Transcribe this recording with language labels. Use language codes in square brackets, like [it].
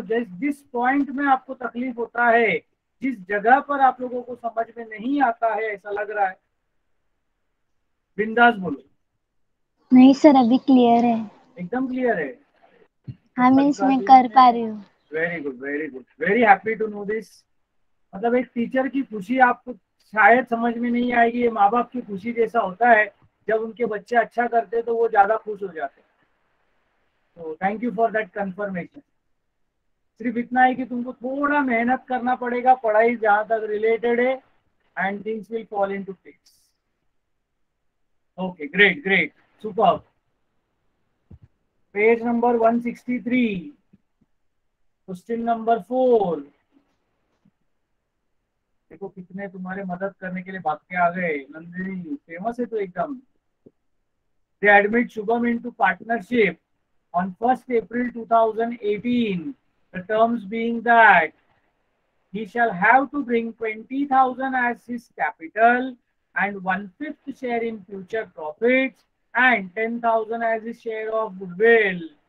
[hi] जिस पॉइंट में आपको तकलीफ होता है, जिस जगह पर आप लोगों को समझ में नहीं आता है, ऐसा लग रहा है, बिंदास बोलो. नहीं सर, अभी क्लियर है, एकदम क्लियर है. हाँ, मैं इसमें कर पा रही हूँ. [en] Very good, very good, very happy to know this. [hi] मतलब एक टीचर की खुशी आपको शायद समझ में नहीं आएगी, ये माँ बाप की खुशी जैसा होता है. जब उनके बच्चे अच्छा करते तो वो ज्यादा खुश हो जाते. [en] तो thank you for that confirmation. [hi] सिर्फ इतना है कि तुमको थोड़ा मेहनत करना पड़ेगा, पढ़ाई जहां तक रिलेटेड है, [en] And things will fall into place. Okay, great great, super. Page number 163, question number 4. [hi] देखो कितने तुम्हारे मदद करने के लिए भाग के आ गए. नंदिनी फेमस है तो एकदम. [en] They admit Shubham into partnership on 1st April 2018, the terms being that he shall have to bring 20,000 as his capital and 1/5 share in future profits and 10,000 as his share of goodwill.